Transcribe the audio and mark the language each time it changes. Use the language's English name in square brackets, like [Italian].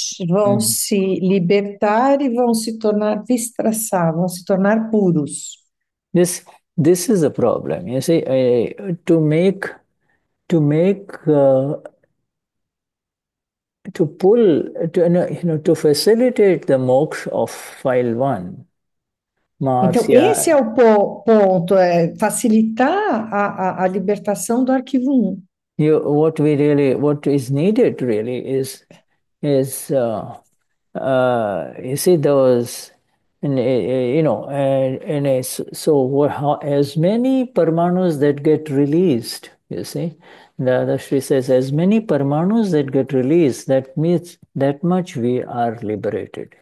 [Portuguese] Vão se libertar e vão se tornar vistraçar, vão se tornar puros. [English] This is a problem, you see, to facilitate the moksha of file one, [Portuguese] Então, esse é o ponto, é facilitar a libertação do arquivo 1. [English] What is needed really is you see those as many parmanus that get released, you see, Dadashri says, as many parmanus that get released, that means that much we are liberated.